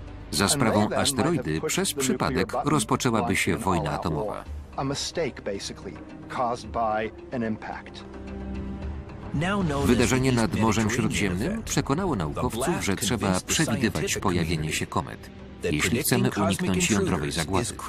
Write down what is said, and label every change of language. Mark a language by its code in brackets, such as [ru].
[pl] Za sprawą asteroidy przez przypadek rozpoczęłaby się wojna atomowa. [en] a mistake basically caused by an impact. [pl] Wydarzenie nad Morzem Śródziemnym przekonało naukowców, że trzeba przewidywać pojawienie się komet, jeśli chcemy uniknąć jądrowej zagłady.